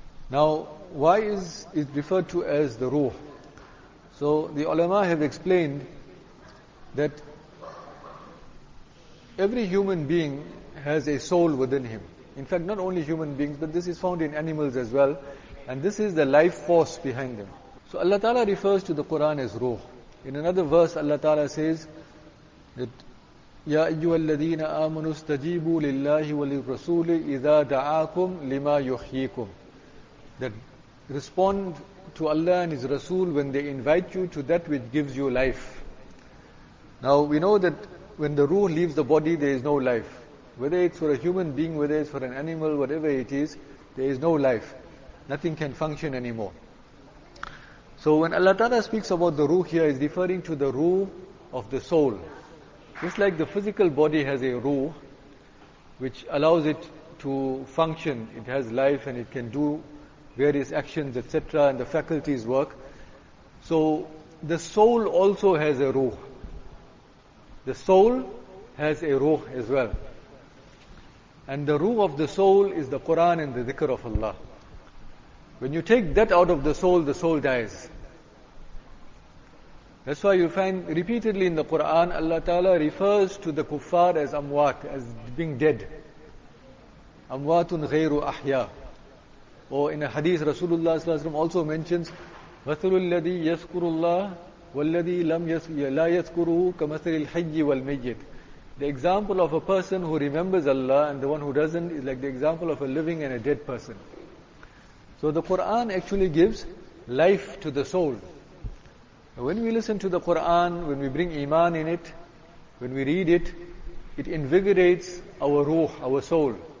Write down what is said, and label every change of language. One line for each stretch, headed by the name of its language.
English: Now why is it referred to as the ruh? So the ulama have explained that every human being has a soul within him. In fact, not only human beings, but this is found in animals as well. And this is the life force behind them. So Allah Ta'ala refers to the Quran as Ruh. In another verse, Allah Ta'ala says that
Arabic: يَا أَيُّهَا الَّذِينَ آمَنُوا اسْتَجِيبُوا لِلَّهِ وَلِلْرَسُولِ إِذَا دَعَاكُمْ لِمَا يُحْيِيكُمْ.
English: That respond to Allah and His Rasul when they invite you to that which gives you life. Now we know that when the Ruh leaves the body, there is no life. Whether it's for a human being, whether it's for an animal, whatever it is, there is no life. Nothing can function anymore. So when Allah Ta'ala speaks about the Ruh here, is referring to the Ruh of the soul. Just like the physical body has a Ruh, which allows it to function, it has life and it can do various actions, etc., and the faculties work. So the soul also has a Ruh. The soul has a Ruh as well. And the Ruh of the soul is the Quran and the Dhikr of Allah. When you take that out of the soul dies. That's why you find repeatedly in the Quran, Allah Ta'ala refers to the kuffar as amwat, as being dead.
Arabic: Amwatun ghayru ahya.
English: Or in a hadith, Rasulullah Sallallahu Alaihi Wasallam also mentions,
Arabic: مَثَلُ الَّذِي يَذْكُرُ اللَّهِ وَالَّذِي لَمْ لَا يَذْكُرُهُ كَمَثَلِ الْحَيِّ وَالْمَيِّتِ.
English: The example of a person who remembers Allah and the one who doesn't is like the example of a living and a dead person. So the Quran actually gives life to the soul. When we listen to the Quran, when we bring iman in it, when we read it, it invigorates our ruh, our soul.